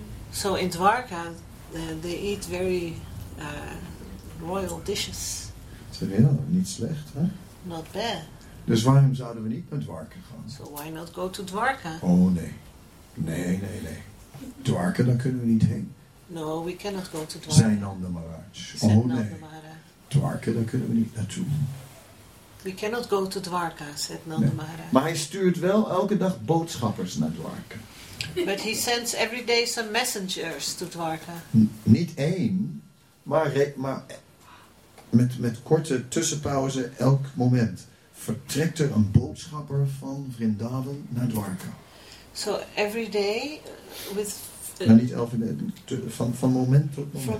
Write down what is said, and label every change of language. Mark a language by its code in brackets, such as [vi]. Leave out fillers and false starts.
[en] So in Dwarka, they eat very royal dishes. [nl] Zeg wel, niet slecht, hè? [en] Not bad. [nl] Dus waarom zouden we niet naar Dwarka gaan? [en] So why not go to Dwarka? [nl] Oh nee. Nee. Dwarka, daar kunnen we niet heen. [en] No, we cannot go to Dwarka. [nl] Zainanda Maharaj. Oh nee. Dwarka, daar kunnen we niet naartoe. [en] We cannot go to Dwarka, said Nanda Maharaj. [nl] Maar hij stuurt wel elke dag boodschappers naar Dwarka. [en] But he sends every day some messengers to Dwarka. [nl] Niet één, maar met korte tussenpauze elk moment vertrekt er een boodschapper van Vrindavan naar Dwarka. [en] So every day with... [nl] Maar niet elke dag, van moment tot moment.